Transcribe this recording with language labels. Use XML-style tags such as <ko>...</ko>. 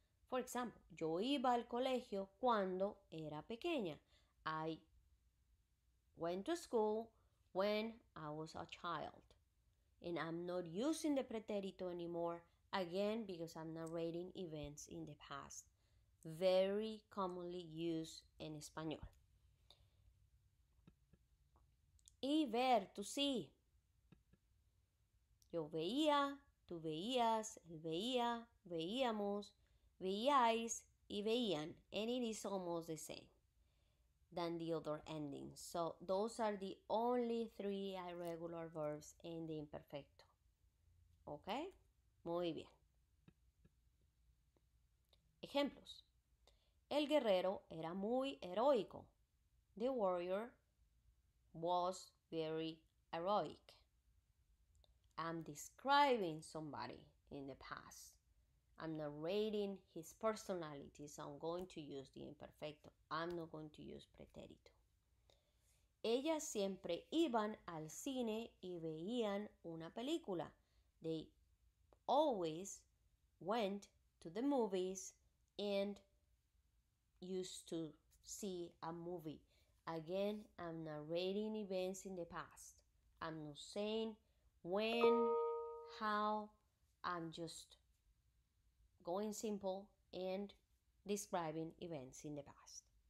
<en>For example,</en> <es>yo iba al colegio cuando era pequeña.</es> <en>I went to school when I was a child. And I'm not using the pretérito anymore, again, because I'm narrating events in the past. Very commonly used in español.</en> <es>Y ver,</es> <en>to see.</en> <es>Yo veía, tú veías, él veía, veíamos, veíais y veían.</es> <en>And it is almost the same than the other endings. So those are the only three irregular verbs in the imperfecto. Okay?</en> <es>Muy bien. Ejemplos. El guerrero era muy heroico.</es> <en>The warrior was very heroic. I'm describing somebody in the past. I'm narrating his personality, so I'm going to use the imperfecto. I'm not going to use pretérito.</en> <es>Ellas siempre iban al cine y veían una película.</es> <en>They always went to the movies and used to see a movie. Again, I'm narrating events in the past. I'm not saying when, how, I'm just going simple and describing events in the past.</en>